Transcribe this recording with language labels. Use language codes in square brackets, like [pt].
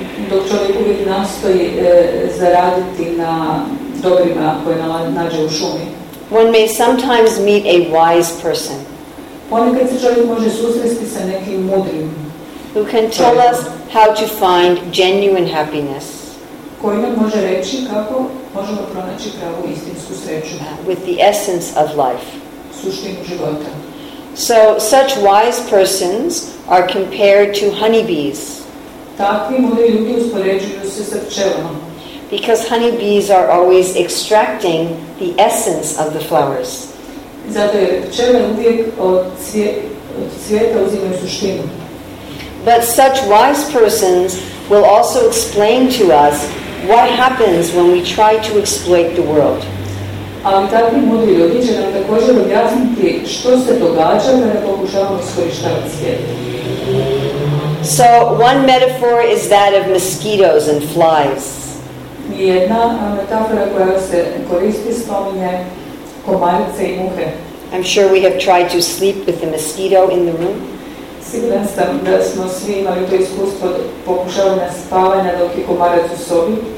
[hr] dok čovjek uvijek nastoji zaraditi na dobrima koje nađe u šumi, [en] one may sometimes meet a wise person. [hr] Ponekad se čovjek može susresti sa nekim mudrim. [en] Who can tell us how to find genuine happiness? [hr] Koji nam može reći kako možemo pronaći pravu istinsku sreću? [en] With the essence of life. [hr] Suštinu života. [en] So such wise persons are compared to honeybees. [hr] Takvi mudri ljudi uspoređuju se sa pčelama. [en] Because honeybees are always extracting the essence of the flowers. [hr] Zato je pčele uvijek od cvijeta uzimaju suštinu. [en] But such wise persons will also explain to us what happens when we try to exploit the world. [hr] Ali takvi mudri ljudi će nam također objasniti što se događa kada pokušavamo iskorištavati svijet. [en] So one metaphor is that of mosquitoes and flies. [hr] Jedna metafora koja se koristi spominje komarice i muhe. [en] I'm sure we have tried to sleep with a mosquito in the room. [hr] Siguran sam da smo svi imali to iskustvo pokušavanja spavanja dok je komarac u sobi.